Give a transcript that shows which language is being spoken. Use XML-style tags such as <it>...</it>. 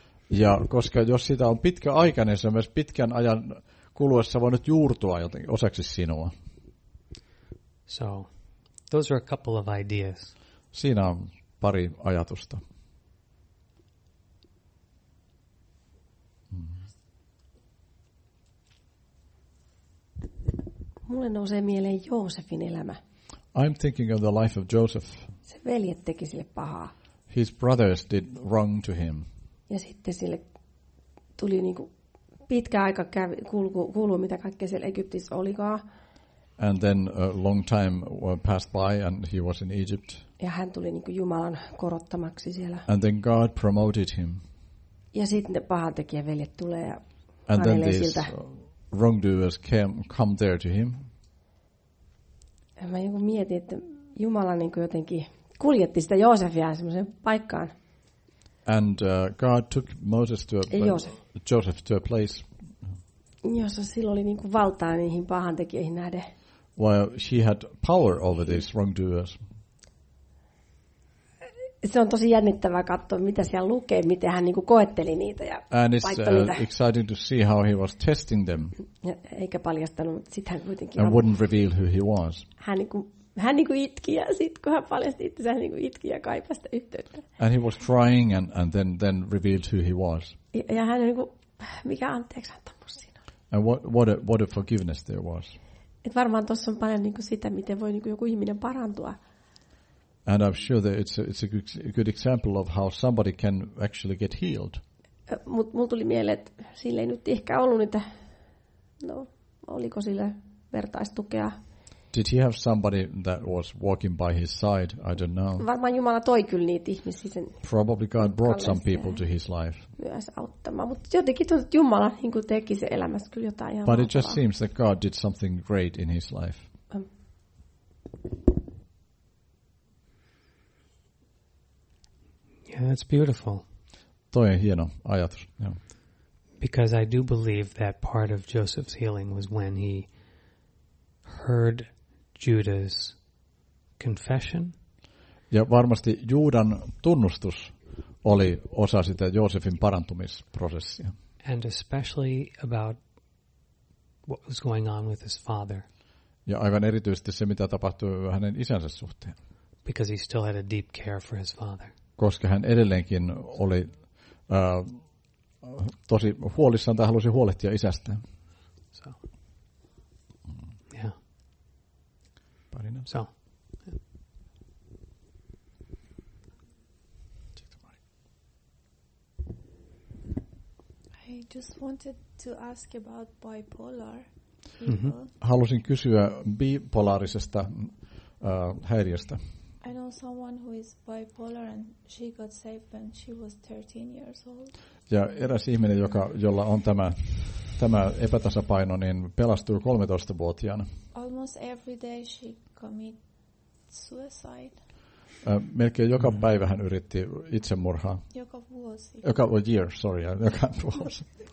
<fi>Ja koska jos sitä on pitkä aika, niin se on myös pitkän ajan kuluessa voinut juurtua jotenkin osaksi sinua.</fi> <en>So, those are a couple of ideas.</en> <fi>Siinä on pari ajatusta. Mulle nousee mieleen Joosefin elämä.</fi> <en>I'm thinking of the life of Joseph.</en> <fi>Se veljet teki sille pahaa.</fi> <en>His brothers did wrong to him.</en> <fi>Ja sitten sille tuli niinku pitkä aika kuului mitä kaikkea siellä Egyptissä olikaan.</fi> <en>And then a long time passed by and he was in Egypt.</en> <fi>Ja hän tuli niinku Jumalan korottamaksi siellä.</fi> <en>And then God promoted him.</en> <fi>Ja sitten ne pahan tekijä veljet tulee ja hänelle siltä.</fi> <en>Wrongdoers came there to him.</en> <fi>mä mietin, että Jumala niin kuin jotenkin kuljetti sitä Joosefia semmoiseen paikkaan.</fi> <en>And God took Moses to a Joseph to a place.</en> <fi>Jossa sillä oli niin kuin valtaa niihin pahantekijöihin nähden.</fi> <en>While she had power over these wrongdoers.</en> <fi>Se on tosi jännittävää katsoa, mitä siellä lukee, miten hän niin kuin koetteli niitä ja</fi> <en>exciting to see how he was testing them.</en> <fi>Ja, eikä paljastanut, mutta sitten hän kuitenkin.</fi> <en>And wouldn't reveal who he was.</en> <fi>Hän niin kuin itki ja sitten kun hän paljasti itse, hän niin kuin itki ja kaipasi sitä yhteyttä.</fi> <en>And he was crying and then revealed who he was.</en> <fi>Ja hän niin kuin, mikä anteeksiantamus siinä oli.</fi> <en>And what a forgiveness there was.</en> <fi>Et varmaan tuossa on paljon niin kuin sitä, miten voi niin kuin joku ihminen parantua.</fi> <en>And I'm sure that it's a good example of how somebody can actually get healed.</en> <fi>Mut mul tuli mieleen, että sillä ei nyt ehkä ollut niitä, no, oliko sillä vertaistukea.</fi> <en>Did he have somebody that was walking by his side? I don't know.</en> <fi>Varmaan Jumala toi kyllä niitä ihmisiä.</fi> <en>Probably God brought some people to his life.</en> <fi>Myös auttamaan, mutta jotenkin tuntuu, että Jumala niin kuin teki se elämässä kyllä jotain ihan.</fi> <en>But it just seems that God did something great in his life. Yeah, that's beautiful.</en> <fi>Toi on hieno ajatus. Yeah.</fi> <en>Because I do believe that part of Joseph's healing was when he heard Judah's confession.</en> <fi>Ja varmasti Juudan tunnustus oli osa sitä Joosefin parantumisprosessia.</fi> <en>And especially about what was going on with his father.</en> <fi>Ja aivan erityisesti se, mitä tapahtui hänen isänsä suhteen.</fi> <en>Because he still had a deep care for his father.</en> <fi>Koska hän edelleenkin oli tosi huolissaan tai halusi huolehtia isästään.</fi> <en>So. Yeah.</en> <fi>Parina.</fi> <en>So. I just wanted to ask about bipolar.</en> <fi>Halusin kysyä bipolaarisesta häiriöstä.</fi> <en>I know someone who is bipolar and she got saved when she was 13 years old.</en> <fi>Ja eräs ihminen, jolla on tämä epätasapaino, niin pelastui 13-vuotiaana.</fi> <en>Almost every day she committed suicide.</en> <fi>Melkein joka päivä hän yritti itsemurhaa. Joka vuosi. Joka</fi> <en>year, sorry,</en> <fi>joka vuosi.</fi>